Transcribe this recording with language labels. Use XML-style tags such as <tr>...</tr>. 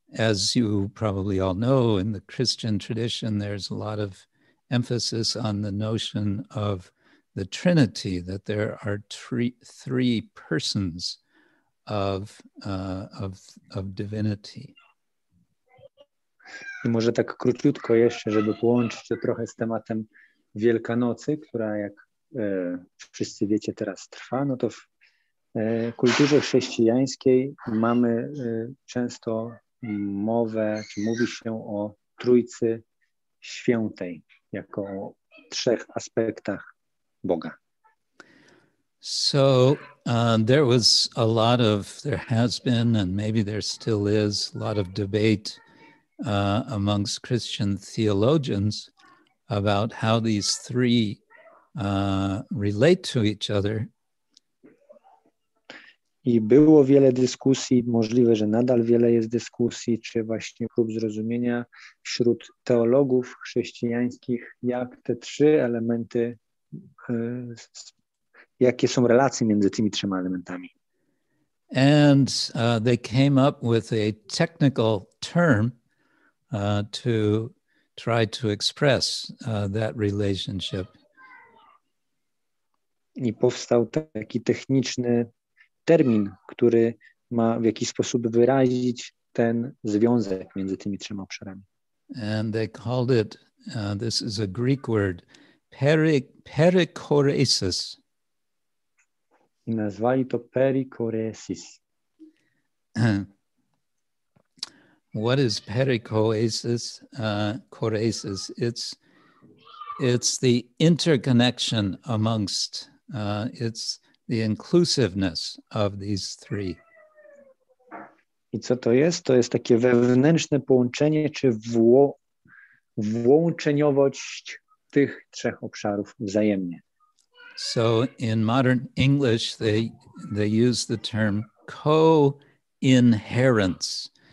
<en>As you probably all know, in the Christian tradition, there's a lot of emphasis on the notion of the Trinity, that there are three persons of divinity.</en> <pl>I może tak króciutko jeszcze, żeby połączyć to trochę z tematem Wielkanocy, która, jak wszyscy wiecie, teraz trwa, no to w kulturze chrześcijańskiej mamy często mowę, czy mówi się o Trójcy Świętej, jako o trzech aspektach Boga.</pl> <en>So there has been, and maybe there still is, a lot of debate amongst Christian theologians about how these three relate to each other.</en> <pl>I było wiele dyskusji, możliwe, że nadal wiele jest dyskusji, czy właśnie prób zrozumienia wśród teologów chrześcijańskich, jak te trzy elementy, jakie są relacje między tymi trzema elementami.</pl> <en>And they came up with a technical term to try to express that relationship.</en> <pl>I powstał taki techniczny termin, który ma w jakiś sposób wyrazić ten związek między tymi trzema obszarami.</pl> <en>And they called it, this is a Greek word, perichoresis.</en> <pl>I nazwali to perichoresis.</pl> <en>What is perichoresis? Choresis? It's the interconnection amongst, it's the inclusiveness of these three.</en> <pl>I co to jest? To jest takie wewnętrzne połączenie, czy włączeniowość tych trzech obszarów wzajemnie.</pl> <en>So in modern English, they use the term co-inherence.</en>